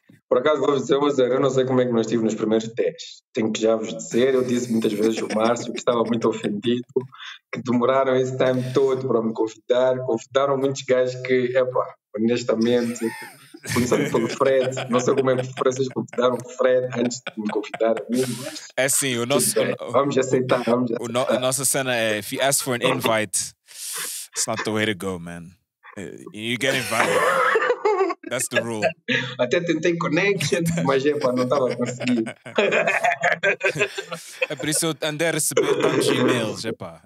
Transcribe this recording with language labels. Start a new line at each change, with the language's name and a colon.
Portuguese: Por acaso, vou dizer, eu não sei como é que nós estive nos primeiros 10. Tenho que já vos dizer, eu disse muitas vezes o Márcio que estava muito ofendido, que demoraram esse tempo todo para me convidar. Convidaram muitos gajos que, epá, honestamente, começando pelo Fred, não sei como é que vocês convidaram o Fred antes de me convidar a mim. É sim, o nosso. Vamos aceitar. A nossa cena é:
English: if you ask for an invite, it's not the way to go, man. You get invited. That's the rule.
Portuguese: Até tentei connection, mas epa, não estava a conseguir. É por isso que eu andei a receber tantos e-mails, epa.